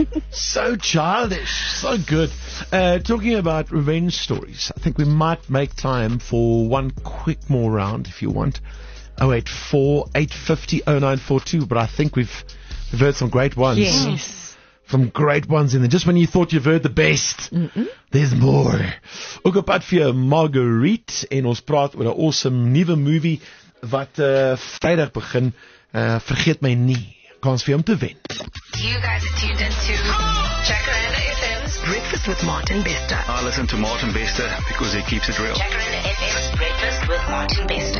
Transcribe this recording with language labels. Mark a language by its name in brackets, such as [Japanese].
[English] So childish. So good. Talking about revenge stories, I think we might make time for one quick more round if you want. 084-850-0942. But I think we've heard some great ones. Yes. Some great ones in there. Just when you thought you've heard the best, there's more. [Afrikaans] Ook 'n pad vir Marguerite en ons praat oor 'n awesome nuwe movie wat Vrydag begin. Vergeet my nie. Kans vir hom te wen. [English] You guys are tuned into Checker and FM's Breakfast with Martin Bester. I listen to Martin Bester because he keeps it real. Checker and FM's Breakfast with Martin Bester.